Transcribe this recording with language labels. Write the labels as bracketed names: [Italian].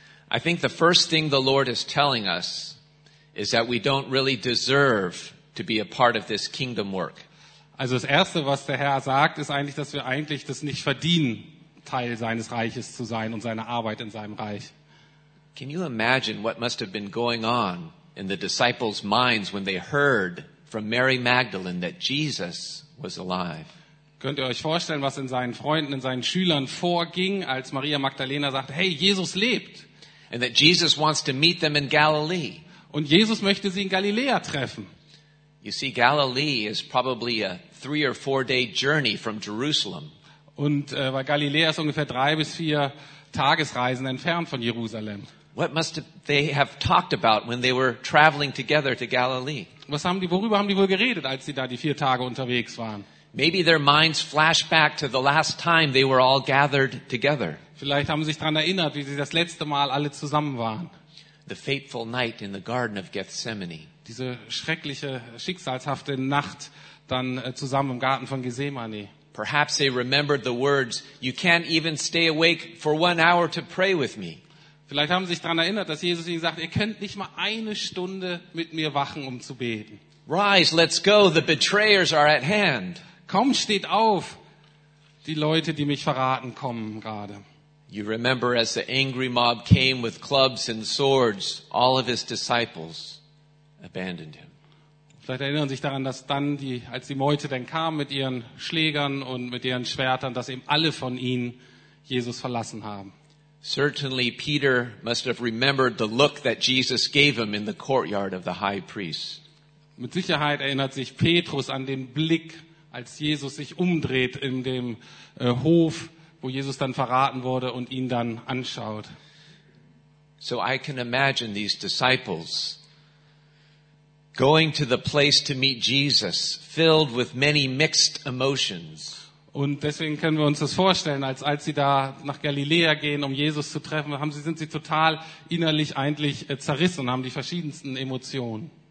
[English] I think the first thing the Lord is telling us is that we don't really deserve to be a part of this kingdom work. [German] Also das Erste, was der Herr sagt, ist eigentlich, dass wir eigentlich das nicht verdienen, Teil seines Reiches zu sein und seine Arbeit in seinem Reich. [English] Can you imagine what must have been going on in the disciples' minds when they heard from Mary Magdalene that Jesus was alive? [German] Könnt ihr euch vorstellen, was in seinen Freunden, in seinen Schülern vorging, als Maria Magdalena sagt, hey, Jesus lebt. [English] And that Jesus wants to meet them in Galilee. [German] Und Jesus möchte sie in Galiläa treffen. [English] You see, Galilee is probably a 3 or 4 day journey from Jerusalem. [German] Und weil Galiläa ist ungefähr 3 bis 4 Tagesreisen entfernt von Jerusalem. [English] What must they have talked about when they were traveling together to Galilee? [German] Worüber haben die wohl geredet, als sie da die 4 Tage unterwegs waren? [English] Maybe their minds flash back to the last time they were all gathered together. [German] Vielleicht haben sie sich daran erinnert, wie sie das letzte Mal alle zusammen waren. [English] The fateful night in the Garden of Gethsemane. [German] Diese schreckliche, schicksalshafte Nacht dann zusammen im Garten von Gethsemane. [English] Perhaps they remembered the words, "You can't even stay awake for 1 hour to pray with me." [German] Vielleicht haben sie sich daran erinnert, dass Jesus ihnen sagt, ihr könnt nicht mal eine Stunde mit mir wachen, um zu beten. [English] Rise, let's go, the betrayers are at hand. [German] Komm, steht auf, die Leute, die mich verraten, kommen gerade. [English] You remember as the angry mob came with clubs and swords, all of his disciples abandoned him. [German] Vielleicht erinnern sich daran, dass dann als die Meute dann kam mit ihren Schlägern und mit ihren Schwertern, dass eben alle von ihnen Jesus verlassen haben. [English] Certainly Peter must have remembered the look that Jesus gave him in the courtyard of the high priest. [German] Mit Sicherheit erinnert sich Petrus an den Blick, als Jesus sich umdreht in dem Hof, wo Jesus dann verraten wurde und ihn dann anschaut. [English] So I can imagine these disciples going to the place to meet Jesus, filled with many mixed emotions. [German] Und deswegen können wir uns das vorstellen, als sie da nach Galiläa gehen, um Jesus zu treffen, sind sie total innerlich eigentlich zerrissen und haben die verschiedensten Emotionen.